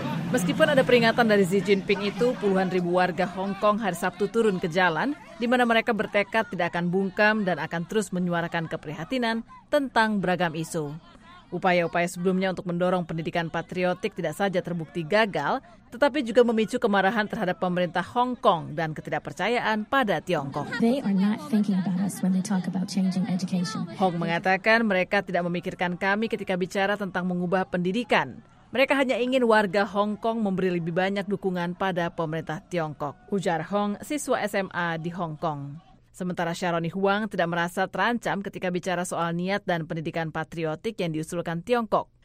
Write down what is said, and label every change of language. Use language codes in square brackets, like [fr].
[id] Meskipun ada peringatan dari Xi Jinping itu, puluhan ribu warga Hong Kong hari Sabtu turun ke jalan, di mana mereka bertekad tidak akan bungkam dan akan terus menyuarakan keprihatinan tentang beragam isu. Upaya-upaya sebelumnya untuk mendorong pendidikan patriotik tidak saja terbukti gagal, tetapi juga memicu kemarahan terhadap pemerintah Hong Kong dan ketidakpercayaan pada Tiongkok. [en] They are not thinking about us when they talk about changing education. [id] Hong mengatakan mereka tidak memikirkan kami ketika bicara tentang mengubah pendidikan. Mereka hanya ingin warga Hong Kong memberi lebih banyak dukungan pada pemerintah Tiongkok, ujar Hong, siswa SMA di Hong Kong. Sementara Sharoni Huang tidak merasa terancam ketika bicara soal niat dan pendidikan patriotik yang diusulkan Tiongkok.